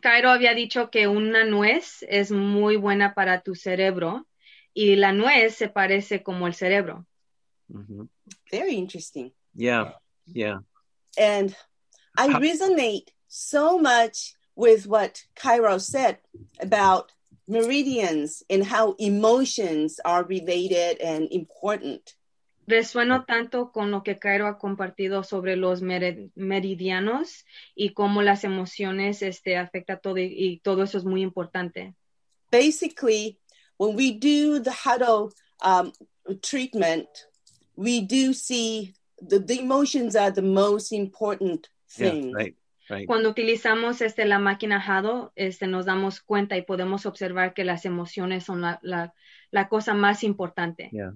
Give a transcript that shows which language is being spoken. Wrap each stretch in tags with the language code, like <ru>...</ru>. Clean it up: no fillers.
<es>Cairo había dicho que una nuez es muy buena para tu cerebro. Y la nuez se parece como el cerebro.</es> <en>Mm-hmm. Very interesting. Yeah. And I resonate so much with what Cairo said about meridians and how emotions are related and important.</en> <es>Resueno tanto con lo que Cairo ha compartido sobre los meridianos y cómo las emociones afecta todo y todo eso es muy importante.</es> <en>Basically, when we do the huddle treatment, we do see the emotions are the most important. Yeah, right.</en> <es>Cuando utilizamos la máquina Hado, nos damos cuenta y podemos observar que las emociones son la cosa más importante.</es>